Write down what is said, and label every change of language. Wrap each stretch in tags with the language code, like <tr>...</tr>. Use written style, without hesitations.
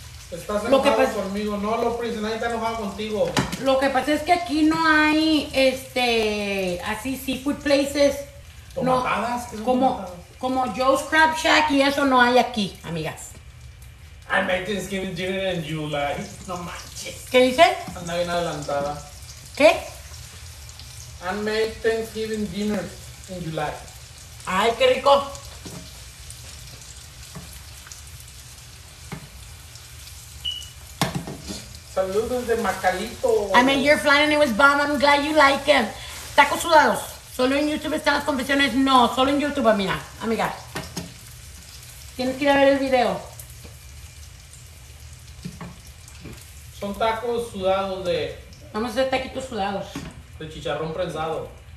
<es>Estás enojado conmigo, no, Lopris, nadie está enojado contigo. Lo que pasa es que aquí no hay, así seafood places. ¿Tomatadas? No, como Joe's Crab Shack y eso no hay aquí, amigas.</es> <en>I made Thanksgiving dinner in July.</en> <es>No manches. ¿Qué dice? Anda bien adelantada. ¿Qué?</es> <en>I made Thanksgiving dinner in July.</en> <es>Ay, qué rico. Saludos de Macalito.</es> <en>I made your flan and it was bomb. I'm glad you like it. Tacos sudados.</en> <es>Solo en YouTube están las confesiones. No, solo en YouTube, amiga. Amiga. Tienes que ir a ver el video. Son tacos sudados de... Vamos a hacer taquitos sudados. De chicharrón prensado.</es>